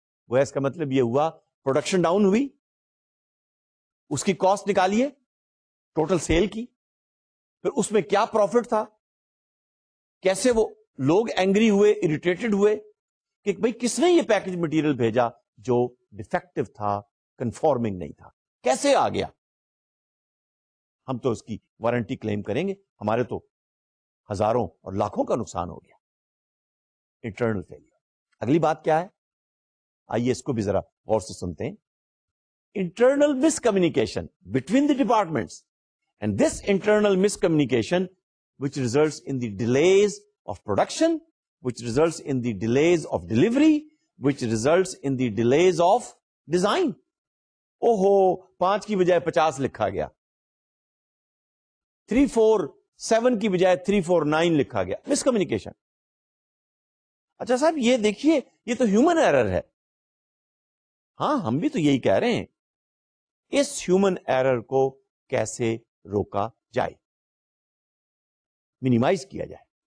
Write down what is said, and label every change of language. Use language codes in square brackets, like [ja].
[ur] وہ اس کا مطلب یہ ہوا پروڈکشن ڈاؤن ہوئی, اس کی کاسٹ نکالیے ٹوٹل سیل کی, پھر اس میں کیا پروفٹ تھا, کیسے وہ لوگ اینگری ہوئے اریٹیٹڈ ہوئے کہ بھائی کس نے یہ پیکج مٹیریل بھیجا جو ڈیفیکٹو تھا, کنفارمنگ نہیں تھا, کیسے آ گیا. ہم تو اس کی وارنٹی کلیم کریں گے, ہمارے تو ہزاروں اور لاکھوں کا نقصان ہو گیا. Internal failure. اگلی بات کیا ہے, آئیے اس کو بھی ذرا غور سے سنتے ہیں. [en] Internal miscommunication between the departments and this internal miscommunication which results in the delays of production which results in the delays of delivery which results in the delays of design. [ur] او ہو, پانچ کی بجائے پچاس لکھا گیا, 347 کی بجائے 349 لکھا گیا, مس کمیونیکیشن. اچھا صاحب یہ دیکھیے, یہ تو ہیومن ایرر ہے. ہاں ہم بھی تو یہی کہہ رہے ہیں, اس ہیومن ایرر کو کیسے روکا جائے, مینیمائز کیا جائے.